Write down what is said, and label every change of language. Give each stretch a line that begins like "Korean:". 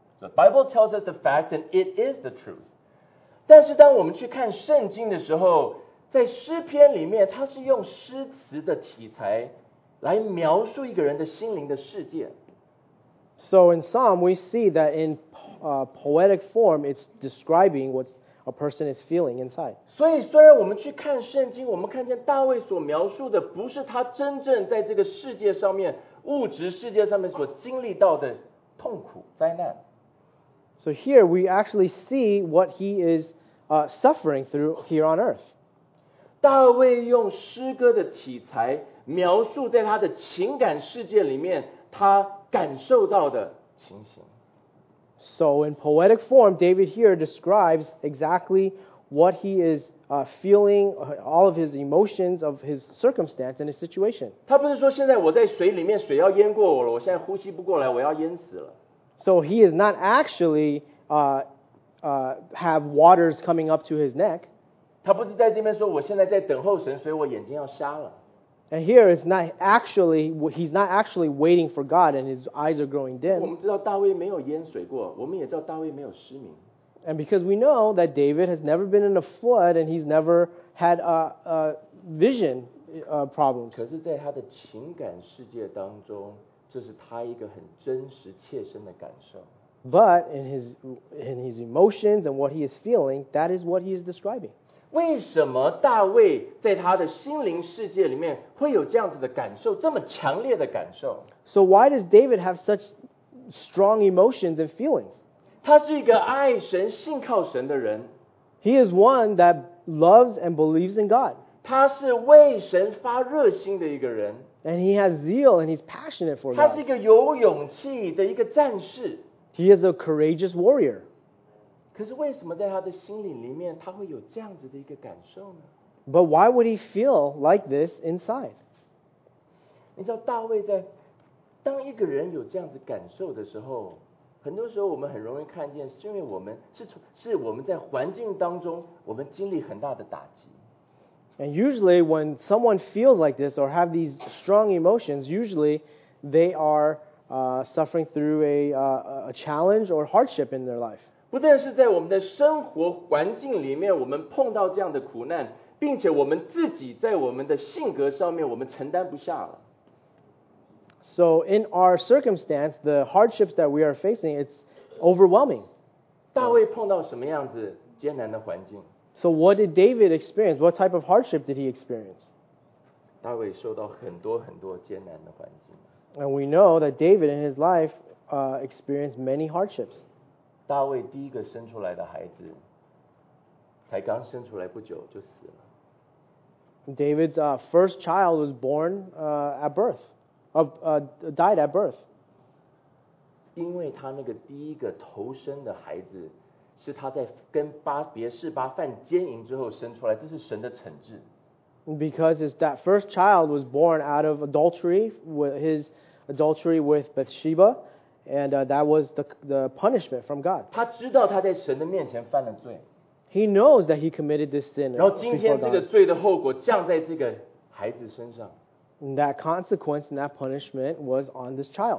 English: The Bible tells us the facts and it is the truth.
Chinese: 但是当我们去看圣经的时候，在诗篇里面，它是用诗词的题材来描述一个人的心灵的世界。
English: So in Psalm, we see that in poetic form, it's describing what's a person is feeling inside.
Chinese: 所以虽然我们去看圣经，我们看见大卫所描述的不是他真正在这个世界上面，物质世界上面所经历到的痛苦灾难。
English: So here we actually see what he is suffering through here on earth.
Chinese: 大卫用诗歌的题材描述在他的情感世界里面他感受到的情形。
English: So in poetic form, David here describes exactly what he is feeling, all of his emotions of his circumstance and his situation.
Chinese: 他不是说现在我在水里面水要淹过我了，我现在呼吸不过来，我要淹死了。
English: So he is not actually have waters coming up to his neck.
Chinese: 他不是在这边说我现在在等候神，所以我眼睛要瞎了。
English: And here it's not actually, he's not actually waiting for God and his eyes are growing dim.
Chinese: 我们知道大卫没有淹水过，我们也知道大卫没有失明。
English: And because we know that David has never been in a flood and he's never had vision problems.
Chinese: 可是在他的情感世界当中，这是他一个很真实切身的感受。
English: But in his emotions and what he is feeling, that is what he is describing.
Chinese: 为什么大卫在他的心灵世界里面会有这样子的感受，这么强烈的感受？
English: So why does David have such strong emotions and feelings?
Chinese: 他是一个爱神、信靠神的人。
English: He is one that loves and believes in God.
Chinese: 他是为神发热心的一个人。
English: And he has zeal and he's passionate for God.
Chinese: 他是一个有勇气的一个战士。
English: He is a courageous warrior.
Chinese: 可是为什么在他的心灵里面他会有这样子的一个感受呢？
English: But why would he feel like this inside?
Chinese: 你知道大卫在当一个人有这样子感受的时候，很多时候我们很容易看见，是因为我们 是我们在环境当中我们经历很大的打击。
English: And usually when someone feels like this or have these strong emotions, usually they are suffering through a challenge or hardship in their life.
Chinese: 不但是在我们的生活环境里面我们碰到这样的苦难，并且我们自己在我们的性格上面我们承担不下了。
English: So in our circumstance, the hardships that we are facing, it's overwhelming.
Chinese: 大卫碰到什么样子艰难的环境？
English: So what did David experience? What type of hardship did he experience?
Chinese: 大卫受到很多很多艰难的环境。
English: And we know that David in his life experienced many hardships.
Chinese: 大卫第一个生出来的孩子才刚生出来不久就死了。
English: David's first child was born at birth, died at birth.
Chinese: 因为他那个第一个投生的孩子是他在跟别示巴犯奸淫之后生出来，这是神的惩治。
English: Because it's that first child was born out of adultery with his adultery with Bathsheba, and that was the punishment from God.
Chinese: 他知道他在神的面前犯了罪。
English: He knows that he committed this sin.
Chinese: 然后今天这个罪的后果降在这个孩子身上。
English: And that consequence and that punishment was on this child.